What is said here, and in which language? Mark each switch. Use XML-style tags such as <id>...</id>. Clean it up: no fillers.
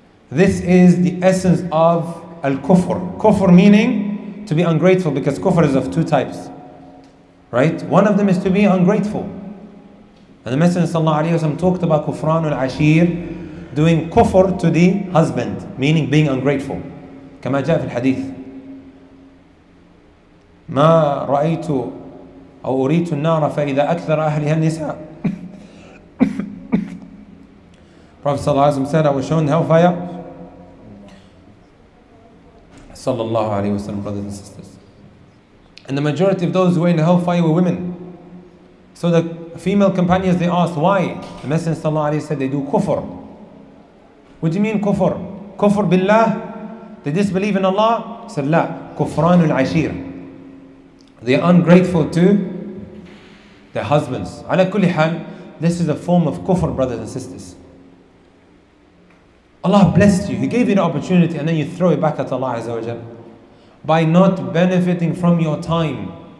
<en>This is the essence of al-kufr. Kufr meaning to be ungrateful, because kufr is of two types. Right? One of them is to be ungrateful. And the Messenger sallallahu alayhi wa sallam talked about kufran al-ashir, doing kufr to the husband, meaning being ungrateful.</en> <ar>كما جاء في الحديث ما رأيت أو أريت النار فإذا أكثر أهلها النساء.</ar> <en>Prophet</en> <ar>صلى الله عليه وسلم</ar> <en>said, I was shown hellfire.</en> <ar>صلى الله عليه وسلم,</ar> <en>brothers and sisters. And the majority of those who were in the hellfire were women. So the female companions, they asked why. The Messenger</en> <ar>صلى الله عليه وسلم</ar> <en>said they do kufr. What do you mean kufr? Kufr بالله. They disbelieve in Allah?</en> <ar>Said, لا, كفران العشير.</ar> <en>They are ungrateful to their husbands.</en> <ar>على كل حال,</ar> <en>this is a form of kufr, brothers and sisters. Allah blessed you. He gave you the opportunity and then you throw it back at Allah Azza wa Jal by not benefiting from your time.</en>